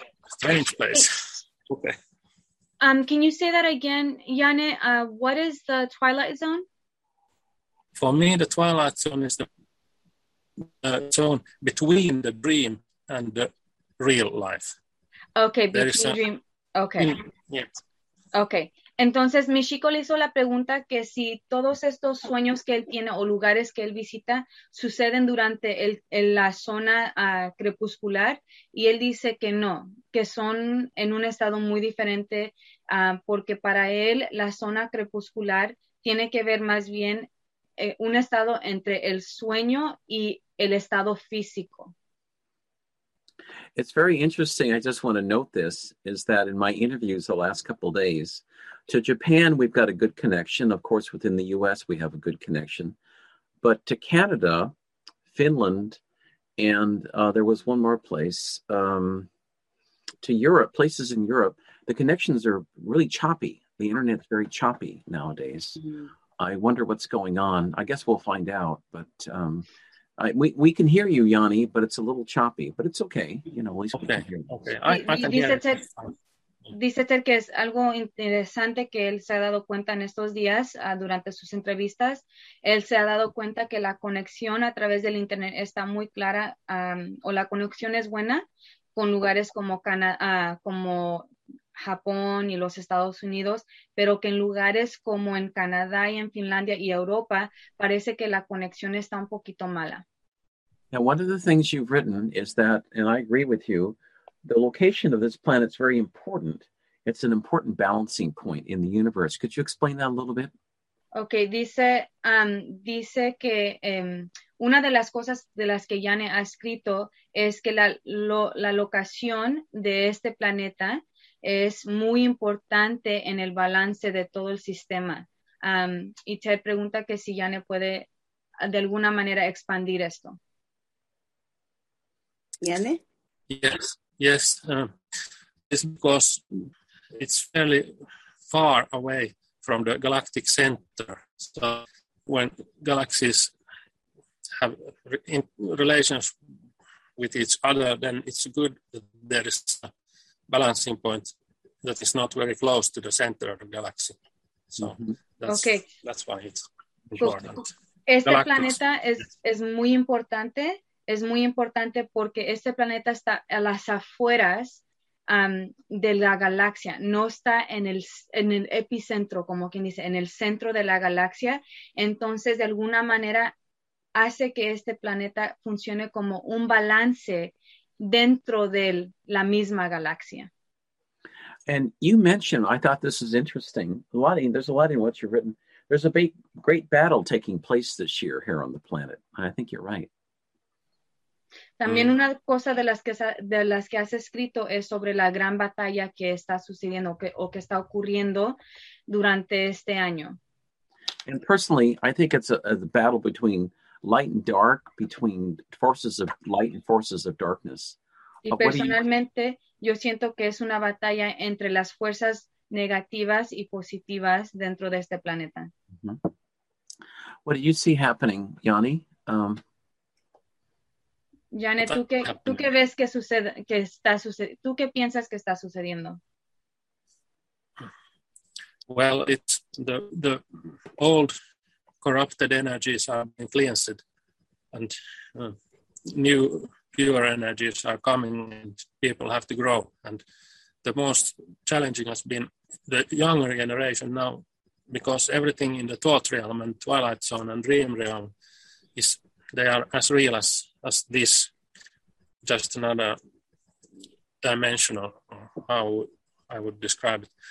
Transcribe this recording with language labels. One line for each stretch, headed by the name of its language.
English: A strange place. Okay. Can you say that again, Yane? What is the twilight zone? For me, the twilight zone is the zone between the dream and the real life. Okay, between dream. Okay. Yeah. Okay.
Spanish: Entonces, Michiko le hizo la pregunta que si todos estos sueños que él tiene o lugares que él visita suceden durante la zona crepuscular, y él dice que no, que son en un estado muy diferente, porque para él la zona crepuscular tiene que ver más bien un estado entre el sueño y el estado físico.
English: It's very interesting. I just want to note this, is that in my interviews the last couple of days, to Japan, we've got a good connection. Of course, within the U.S., we have a good connection. But to Canada, Finland, and there was one more place, to Europe, places in Europe, the connections are really choppy. The internet's very choppy nowadays. Mm-hmm. I wonder what's going on. I guess we'll find out, but We can hear you, Yanni, but it's a little choppy, but it's okay. You know, at least okay. We can hear you.
Spanish: Dice Ter que es algo interesante que él se ha dado cuenta en estos días durante sus entrevistas. Él se ha dado cuenta que la conexión a través del internet está muy clara o la conexión es buena con lugares como como Japón y los Estados Unidos, pero que en lugares como en Canadá y en Finlandia y Europa parece que la conexión está un poquito mala.
English: Now, one of the things you've written is that, and I agree with you, the location of this planet is very important. It's an important balancing point in the universe. Could you explain that a little bit?
Spanish: Okay, dice que una de las cosas de las que Yane ha escrito es que la locación de este planeta es muy importante en el balance de todo el sistema. Y Ted pregunta que si Yane puede de alguna manera expandir esto. Yane?
English: Yes. It's because it's fairly far away from the galactic center. So when galaxies have relations with each other, then it's good that there is a balancing point that is not very close to the center of the galaxy. So that's why it's important.
Spanish: Este Galactus. Planeta es muy importante. Es muy importante porque este planeta está a las afueras de la galaxia. No está en el epicentro, como quien dice, en el centro de la galaxia. Entonces, de alguna manera, hace que este planeta funcione como un balance dentro de la misma galaxia.
English: And you mentioned, I thought this is interesting, there's a lot in what you've written. There's a big, great battle taking place this year here on the planet. And I think you're right.
Spanish: También una cosa de las que has escrito es sobre la gran batalla que está sucediendo que está ocurriendo durante este año.
English: And personally, I think it's a battle between light and dark, between forces of light and forces of darkness.
Spanish: Y personalmente, yo siento que es una batalla entre las fuerzas negativas y positivas dentro de este planeta.
English: Mm-hmm. What do you see happening, Yanni?
Spanish: Yane, ¿tú qué ves que sucede, que está sucediendo? ¿Tú qué piensas que está sucediendo?
English: Well, it's the old corrupted energies are being cleansed and new pure energies are coming and people have to grow. And the most challenging has been the younger generation now because everything in the thought realm and twilight zone and dream realm is they are as real as this, just another dimensional, how I would describe it.